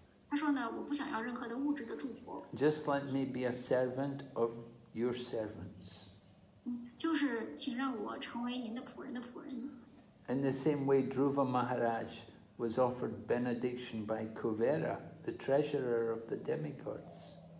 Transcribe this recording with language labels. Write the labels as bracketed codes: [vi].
[zh] 他说呢，我不想要任何的物质的祝福。 [en] Just let me be a servant of your servants. [zh] 就是请让我成为您的仆人的仆人。 [en] In the same way, Dhruva Maharaj was offered benediction by Kuvera, the treasurer of the demigods.